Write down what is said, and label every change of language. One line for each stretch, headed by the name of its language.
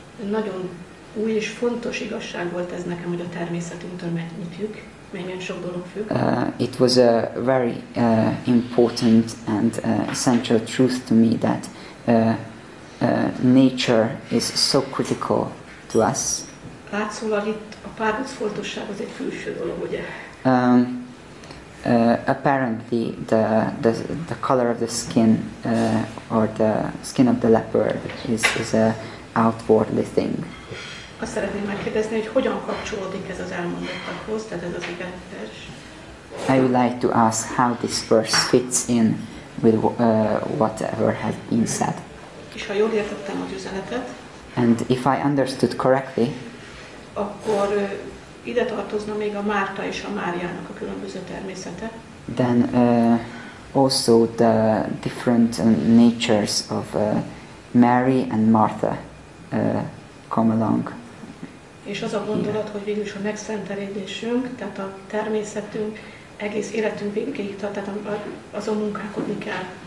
Hungarian: Nagyon új és fontos igazság volt ez nekem, hogy a természetünktől mennyit függ, mennyien sok dolog függ.
English: It was a very important and essential truth to me that nature is so critical to us.
Hungarian: Látszólag itt a párduc fontosság az egy külső dolog, ugye?
English: apparently the color of the skin or the skin of the leopard is a outwardly thing.
Hungarian: Azt szeretném megkérdezni, hogy hogyan kapcsolódik ez az elmondottakhoz, tehát ez az igetes.
English: I would like to ask how this verse fits in with whatever has been said.
Hungarian: És ha jól értettem az üzenetet.
English: And if I understood correctly.
Hungarian: Akkor ide tartozna még a Márta és a Máriának a különböző természete.
English: Then also the different natures of Mary and Martha come along.
Hungarian: És az a gondolat, hogy végül is a megszentelésünk, tehát a természetünk, egész életünk végig tart, tehát azon munkálkodni kell.